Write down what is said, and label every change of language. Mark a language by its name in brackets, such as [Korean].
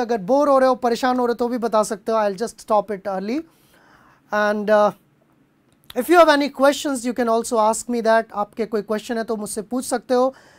[Hindi] अगर bore हो रहे हो परेशान हो रहे हो तो भी बता सकते हो. [English] I'll just stop it early. And if you have any questions, you can also ask me that. [Hindi] आपके कोई question है तो मुझसे पूछ सकते हो.